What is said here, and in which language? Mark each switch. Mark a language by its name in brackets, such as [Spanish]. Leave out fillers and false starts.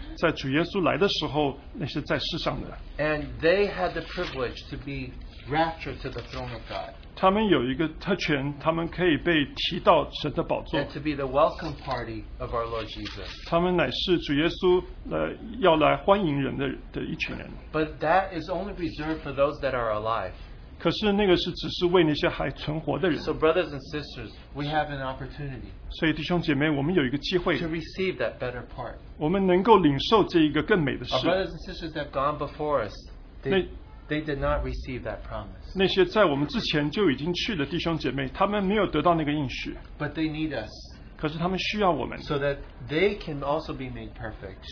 [Chinese] 那个男孩子是表示那些在主耶稣来的时候那些在世上的。 [English] And they had the privilege to be raptured to the throne of God. [Chinese] 他们有一个特权, 他们可以被提到神的宝座, [English] and to be the welcome party of our Lord Jesus. [Chinese] 他们乃是主耶稣, 要来欢迎人的一群人。 [English] But that is only reserved for those that are alive. [Chinese] 可是那个是只是为那些还存活的人。 [English] So brothers and sisters, we have an opportunity. [Chinese] 所以弟兄姐妹, 我们有一个机会, [English] to receive that better part. [Chinese] 我们能够领受这一个更美的事。 [English] Our brothers and sisters that have gone before us, they did not receive that promise. [Chinese] 那些在我们之前就已经去的弟兄姐妹，他们没有得到那个应许。 [English] But they need us. [Chinese] 可是他们需要我们。 [English] So that they can also be made perfect.